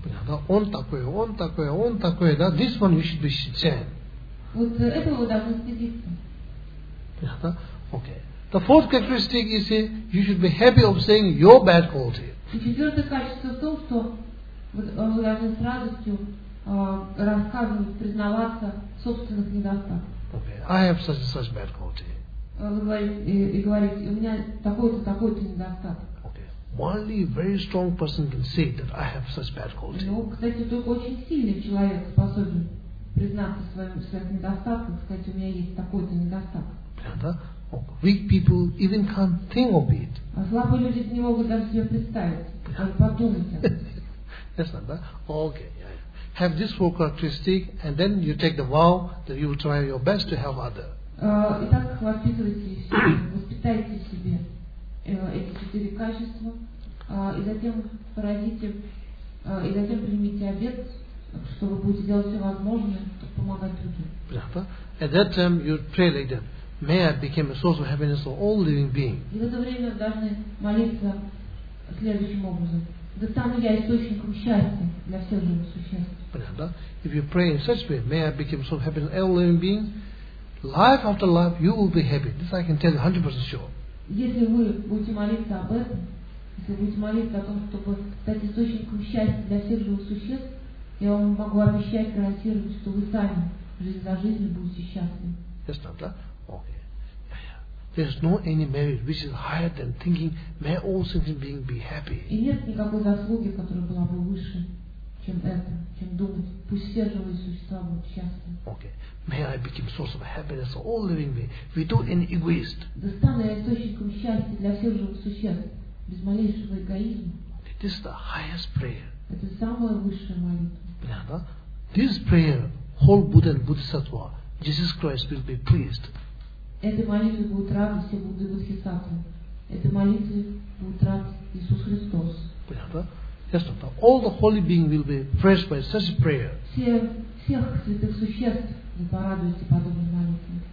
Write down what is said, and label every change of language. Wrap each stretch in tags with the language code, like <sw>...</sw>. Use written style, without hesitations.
<ru>Да, он такой, он такой, он такой, да,</ru> <en>this one you should be ashamed.</en> <ru>Вот этого вы должны стыдиться. Да, okay.</ru> <en>The fourth characteristic is you should be happy of saying your bad quality.</en> <ru>И четвертое качество в том, что вы должны с радостью рассказывать, признаваться в собственных недостатках.</ru> <en>Okay. I have such and such bad quality.</en> <ru>Вы говорите, у меня такой-то недостаток.</ru> <en>Only a very strong person can say that I have such bad quality.</en> <ru>Ну, кстати, только очень сильный человек способен признаться в своих недостатках, сказать, у меня есть такой-то недостаток. Да?</ru> <en>Weak people even can't think of it.</en> <ru>А слабые люди не могут даже себе представить, как подумать об</ru> <en>этом. Yes, not that. Okay. Yeah. Have this four characteristic, and then you take the vow that you will try your best to help other.</en> <ru>Итак, воспитывайтесь, воспитайте себе эти четыре качества, и затем породите, и затем примите обет, что вы будете делать все возможное, чтобы помогать другим. Да.</ru> <en>At that time you pray like that. May I become a source of happiness for all living beings.</en> <ru>И в это время должны молиться следующим образом. Да стану я источником счастья для всех живых существ. Да.</ru> <en>If you pray in such way, may I become a source of happiness for all living beings. Life after life, you will be happy. This I can tell you 100% sure.</en> <ru>Если вы будете молиться об этом, если вы будете молиться о том, чтобы стать источником счастья для всех живых существ, я вам могу обещать, гарантировать, что вы сами жизнь за жизнью будете счастливы. Ясно, да? Окей.</ru> <en>There's no any merit which is higher than thinking may all sentient beings be happy.</en> <ru>И нет никакой заслуги, которая была бы выше, чем это, чем думать, пусть все живые существа будут счастливы.</ru> <en>Okay. May I become source of happiness for all living beings. We do an egoist.</en> <ru>Да стану я источником счастья для всех живых существ без малейшего эгоизма.</ru> <en>Okay. This is the highest prayer.</en> <ru>Это самая высшая молитва. Понятно?</ru> <en>This prayer, whole Buddha and Bodhisattva, Jesus Christ will be pleased.</en> <ru>Этой молитвой будут рады все Будды и Бодхисаттвы. Этой молитвой будут рады Иисус Христос.</ru> <en>Понятно? Yes, Doctor. All the holy beings will be praised by such a prayer.</en> <ru>Всех святых существ вы порадуете подобной молитвой.</ru>